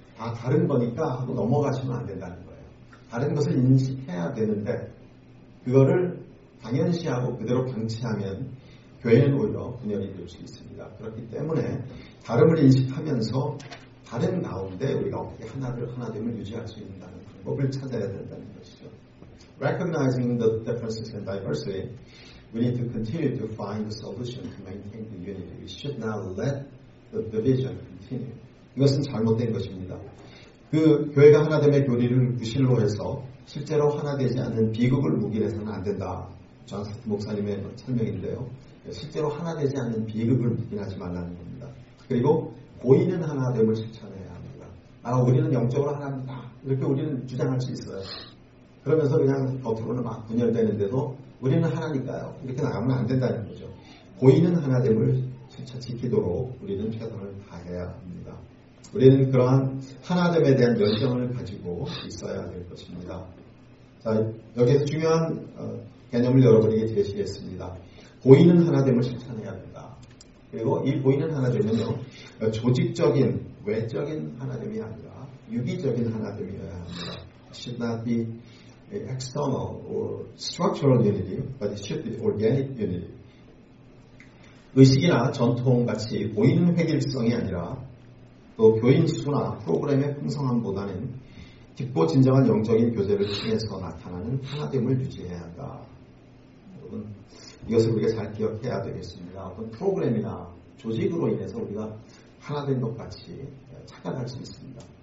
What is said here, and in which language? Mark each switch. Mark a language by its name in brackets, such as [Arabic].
[Korean] 아, 다른 거니까 하고 넘어가시면 안 된다는 거예요. 다른 것을 인식해야 되는데 그거를 당연시하고 그대로 방치하면 교회는 오히려 분열이 될 수 있습니다. 그렇기 때문에 다름을 인식하면서 다른 가운데 우리가 어떻게 하나됨을 유지할 수 있는 방법을 찾아야 된다는 것이죠. [English] Recognizing the differences and diversity, we need to continue to find the solution to maintain the unity. We should not let the division continue. [Korean] 이것은 잘못된 것입니다. 그 교회가 하나됨의 교리를 무실로 해서 실제로 하나되지 않는 비극을 무기해서는 안 된다. 존 스트 목사님의 설명인데요. 실제로 하나되지 않는 비극을 무기하지 말라는 겁니다. 그리고 보이는 하나됨을 실천해야 합니다. 아, 우리는 영적으로 하나입니다. 이렇게 우리는 주장할 수 있어요. 그러면서 그냥 겉으로는 막 분열되는데도 우리는 하나니까요. 이렇게 나가면 안 된다는 거죠. 보이는 하나됨을 실천 지키도록 우리는 최선을 다해야 합니다. 우리는 그러한 하나됨에 대한 열정을 가지고 있어야 될 것입니다. 자, 여기서 중요한 개념을 여러분에게 제시했습니다. 보이는 하나됨을 실천해야 합니다. 그리고 이 보이는 하나됨은요, 조직적인, 외적인 하나됨이 아니라 유기적인 하나됨이어야 합니다. [English] Should not be external or structural unity, but it should be organic unity. [Korean] 의식이나 전통같이 보이는 획일성이 아니라 또 교인 수나 프로그램의 풍성함보다는 깊고 진정한 영적인 교제를 통해서 나타나는 하나됨을 유지해야 한다. 여러분, 이것을 우리가 잘 기억해야 되겠습니다. 어떤 프로그램이나 조직으로 인해서 우리가 하나된 것 같이 착각할 수 있습니다.